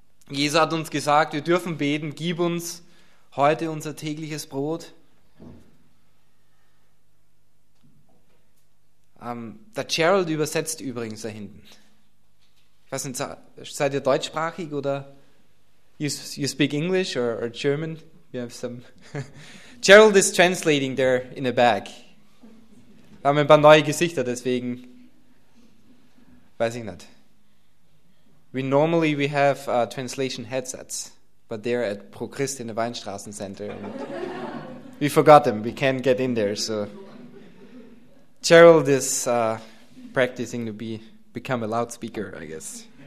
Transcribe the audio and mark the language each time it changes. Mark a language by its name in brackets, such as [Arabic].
[German] Jesus hat uns gesagt, wir dürfen beten, gib uns heute unser tägliches Brot. Der Gerald übersetzt übrigens da hinten. Ich weiß nicht, seid ihr deutschsprachig oder [English] you speak English or German? We have some. Gerald is translating there in the back. [German] Wir haben ein paar neue Gesichter, deswegen weiß ich nicht. [English] We normally have translation headsets, but they're at Pro Christ in the Weinstraßen Center. We forgot them. We can't get in there, so. Gerald is practicing to become a loudspeaker, I guess.